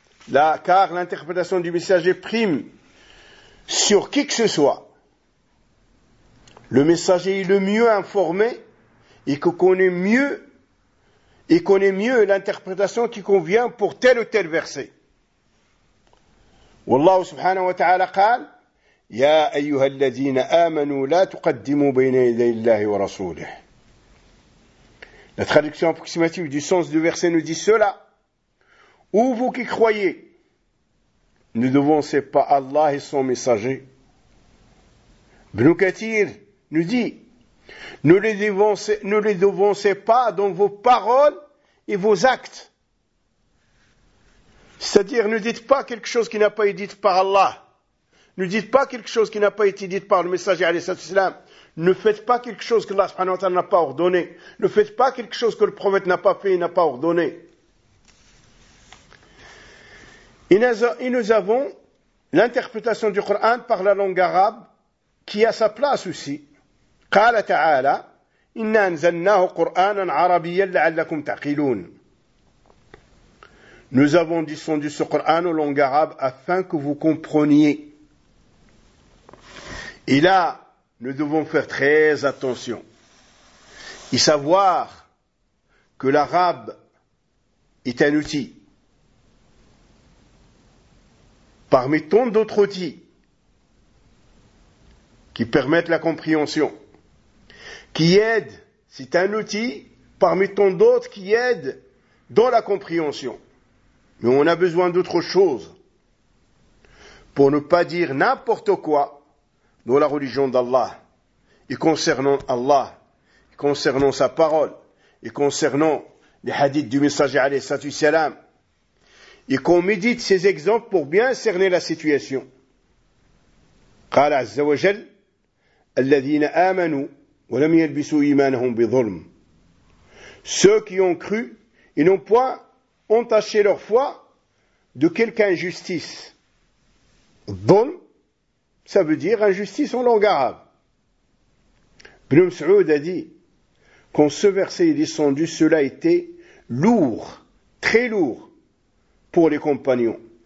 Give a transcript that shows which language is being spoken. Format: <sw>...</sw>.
<fr>Là, car l'interprétation du messager prime sur qui que ce soit. Le messager est le mieux informé et connaît mieux l'interprétation qui convient pour tel ou tel verset.</fr> <ar>والله سبحانه وتعالى قال يا أيها الذين آمنوا لا تقدموا بين يدي الله ورسوله.</ar> <fr>La traduction approximative du sens du verset nous dit cela. Ou vous qui croyez, ne devancez pas Allah et son messager. Ibn Kathir nous dit, ne les devancez pas dans vos paroles et vos actes. C'est-à-dire, ne dites pas quelque chose qui n'a pas été dit par Allah. Ne dites pas quelque chose qui n'a pas été dit par le messager,</fr> <ar>alayhi salatu wasalam.</ar> <fr>Ne faites pas quelque chose que Allah</fr> <ar>subhanahu wa ta'ala</ar> <fr>n'a pas ordonné. Ne faites pas quelque chose que le prophète n'a pas fait et n'a pas ordonné. Et nous avons l'interprétation du Coran par la langue arabe qui a sa place aussi.</fr> <ar>قال تعالى إنا أنزلناه قرآنا عربيا لعلكم تعقلون.</ar> <fr>Nous avons descendu ce Coran en langue arabe afin que vous compreniez. Et là, nous devons faire très attention et savoir que l'arabe est un outil. Parmi tant d'autres outils qui permettent la compréhension, qui aident, c'est un outil parmi tant d'autres qui aident dans la compréhension. Mais on a besoin d'autre chose pour ne pas dire n'importe quoi dans la religion d'Allah et concernant Allah, et concernant sa parole et concernant les hadiths du messager</fr> <ar>alayhi salatu wasalam,</ar> <fr>et qu'on médite ces exemples pour bien cerner la situation.</fr> <ar>قال عز وجل الذين آمنوا ولم يلبسوا إيمانهم بظلم.</ar> <fr>Ceux qui ont cru et n'ont point entaché leur foi de quelque injustice. Dhulm, ça veut dire injustice en langue arabe. Ibn Mas'ud a dit, quand ce verset est descendu, cela était lourd, très lourd, pour les compagnons.</fr>